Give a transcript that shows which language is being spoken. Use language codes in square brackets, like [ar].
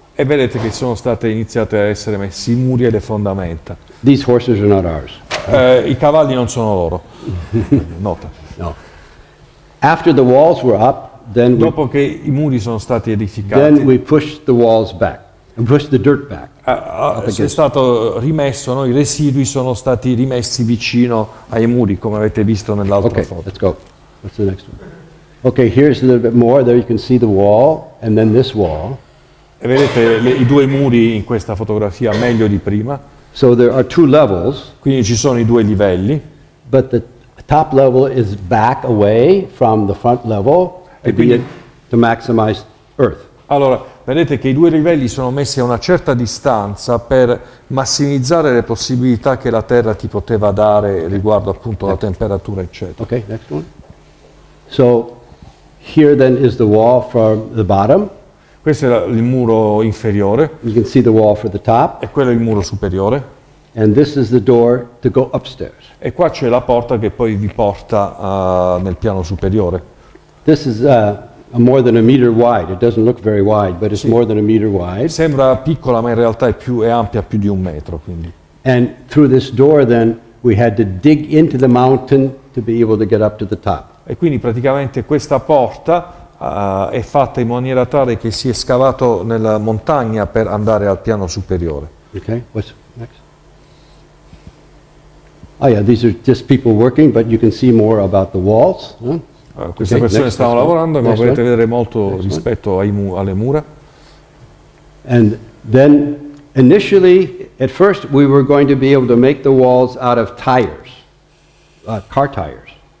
[it] E vedete che sono state iniziate a essere messi i muri e le fondamenta. [en] These horses are not ours. [it] I cavalli non sono loro. Nota. [en] No. After the walls were up, then [it] dopo che i muri sono stati edificati, [en] then we pushed the walls back. And push the dirt back. [it] È stato rimesso, no? I residui sono stati rimessi vicino ai muri, come avete visto nell'altra okay, foto. [en] Okay, let's go. What's the next one? Okay, here's a little bit more. There you can see the wall, and then this wall. [it] E vedete i due muri in questa fotografia meglio di prima. [en] So there are two levels. [it] Quindi ci sono i due livelli. [en] But the top level is back away from the front level to maximize earth. [it] Allora, vedete che i due livelli sono messi a una certa distanza per massimizzare le possibilità che la terra ti poteva dare riguardo appunto alla temperatura, eccetera. [en] Okay, next one. So, here then is the wall from the bottom. [it] Questo è il muro inferiore. [en] You can see the wall for the top. [it] E quello è il muro superiore. [en] And this is the door to go upstairs. [it] E qua c'è la porta che poi vi porta nel piano superiore. [en] This is more than a meter wide. It doesn't look very wide, but it's more than a meter wide. [it] Sembra piccola, ma in realtà è ampia più di un metro, quindi. [en] And through this door then we had to dig into the mountain to be able to get up to the top. [it] E quindi praticamente questa porta è fatta in maniera tale che si è scavato nella montagna per andare al piano superiore. [en] Okay, what's next? Oh yeah, these are just people working, but you can see more about the walls. [it] Queste persone stanno lavorando, ma potete vedere molto rispetto alle mura. [en] And then, initially, at first, we were going to be able to make the walls out of tires, car tires.